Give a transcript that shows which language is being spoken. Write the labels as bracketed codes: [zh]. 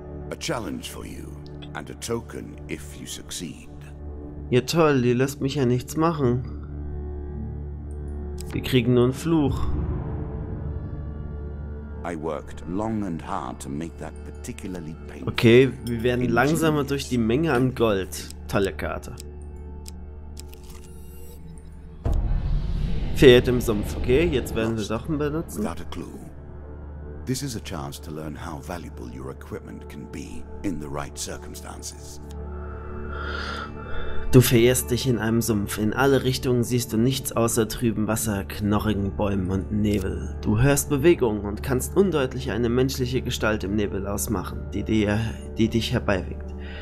[en] A challenge for you and a token if you succeed. [de] Ja toll, die lässt mich ja nichts machen. Wir kriegen nur einen Fluch. [en] I worked long and hard to make that particularly painful. [de] Okay, wir werden langsamer durch die Menge an Gold. Tolle Karte. Fehlt im Sumpf. Okay, jetzt werden wir Sachen benutzen. [en] Without a clue. This is a chance to learn how valuable your equipment can be in the right circumstances. [de] Du verirrst dich in einem Sumpf. In alle Richtungen siehst du nichts außer trüben Wasser, knorrigen Bäumen und Nebel. Du hörst Bewegungen und kannst undeutlich eine menschliche Gestalt im Nebel ausmachen, die dich herbeiwinkt.